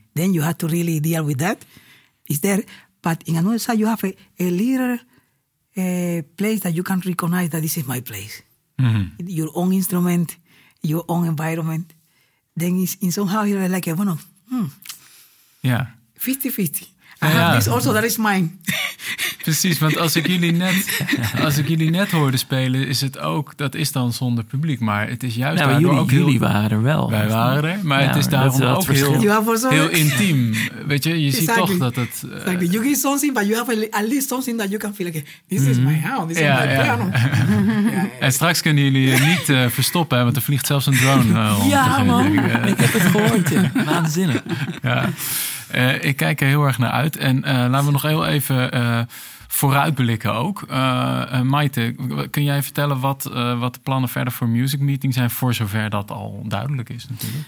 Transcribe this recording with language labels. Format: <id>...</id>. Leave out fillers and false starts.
<en>Then you have to really deal with that. Is there, but in another side, you have a little place that you can recognize that this is my place. Mm-hmm. Your own instrument, your own environment. Then it's in somehow you're like, a, bueno, Yeah. 50-50. I have this also that is mine.</en> <nl>Precies, want als ik jullie net hoorde spelen, is het ook, dat is dan zonder publiek, maar het is juist daardoor jullie, ook heel... Jullie waren er wel. Wij waren er, maar ja, het is daarom ook heel intiem. Weet je, je ziet toch dat het...</nl> <en>Exactly. You get something, but you have at least something that you can feel like, this is my house, this is my piano.</en> <nl>En straks kunnen jullie je niet verstoppen, want er vliegt zelfs een drone rond. Ja, man, ik heb het gehoord. Waanzinnig. Ja. Ik kijk er heel erg naar uit. En laten we nog heel even vooruitblikken ook. Maite, kun jij vertellen wat de plannen verder voor Music Meeting zijn, voor zover dat al duidelijk is natuurlijk?</nl>